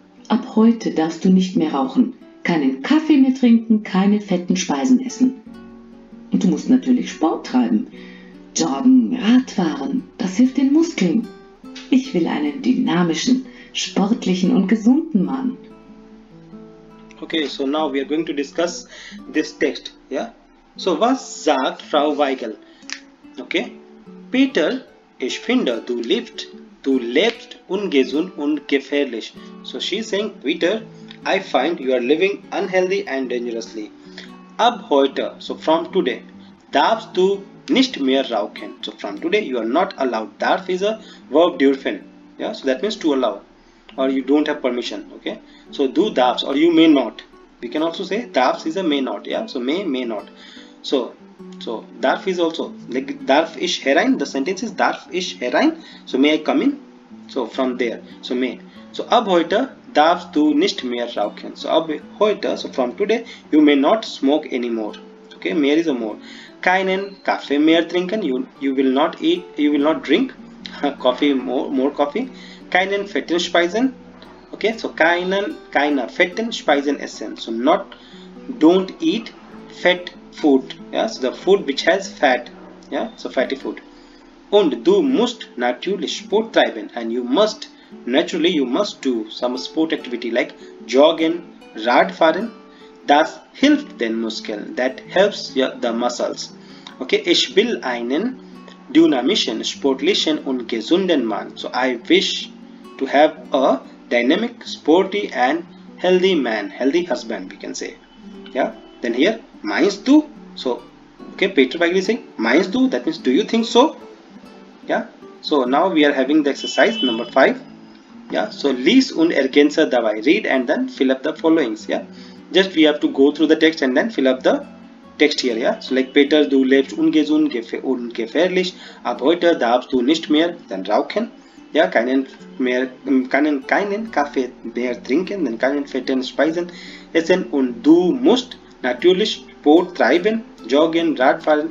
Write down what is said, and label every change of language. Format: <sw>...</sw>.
<de>Ab heute darfst du nicht mehr rauchen, keinen Kaffee mehr trinken, keine fetten Speisen essen. Und du musst natürlich Sport treiben, joggen, Radfahren, das hilft den Muskeln. Ich will einen dynamischen, sportlichen und gesunden Mann.</de> <en>Okay, so now we are going to discuss this text.</en> <de>Yeah? So was sagt Frau Weigel? Okay, Peter, ich finde, du lebst ungesund und gefährlich.</de> <en>So she's saying, Peter, I find you are living unhealthy and dangerously.</en> <de>Ab heute,</de> <en>so from today,</en> <de>darfst du nicht mehr rauchen.</de> <en>So from today, you are not allowed. Darf is a verb dürfen. Yeah, so that means to allow, or you don't have permission. Okay, so</en> <de>du darfst,</de> <en>or you may not. We can also say darfst is a may not. Yeah, so may not. So darf is also like</en> <de>darf ich herein.</de> <en>The sentence is</en> <de>darf ich herein.</de> <en>So may I come in? So from there. So may.</en> <de>So ab heute darfst du nicht mehr rauchen.</de> <en>So</en> <de>ab heute,</de> <en>so from today, you may not smoke anymore. Okay, mehr is a more.</en> <de>Keinen Kaffee mehr trinken.</de> <en>You will not drink coffee more coffee.</en> <de>Keinen fetten Speisen. Okay, so keiner fetten Speisen essen.</de> <en>So not, don't eat fat food. Yeah, so the food which has fat. Yeah, so fatty food.</en> <de>Und du musst natürlich Sport treiben,</de> <en>and you must. Naturally, you must do some sport activity like joggen, Radfahren.</en> <de>Das hilft den Muskeln.</de> <en>That helps the muscles.</en> <de>Okay, ich will einen dynamischen, sportlichen und gesunden Mann.</de> <en>So, I wish to have a dynamic, sporty and healthy man. Healthy husband, we can say. Yeah, then here,</en> <de>meinst du?</de> <en>So, okay, Peter Weigel is saying,</en> <de>meinst du?</de> <en>That means, do you think so? Yeah, so now we are having the exercise number 5. Yeah, so</en> <de>lies und ergänze dabei.</de> <en>Read and then fill up the followings. Yeah, just we have to go through the text and then fill up the text here.</en> <de>Yeah, so like Peter, du lebst ungesund und gefährlich. Ab heute darfst du nicht mehr dann rauchen. Yeah, keinen Kaffee mehr trinken, dann keinen fetten Speisen essen. Und du musst natürlich Sport treiben, joggen, Radfahren.</de>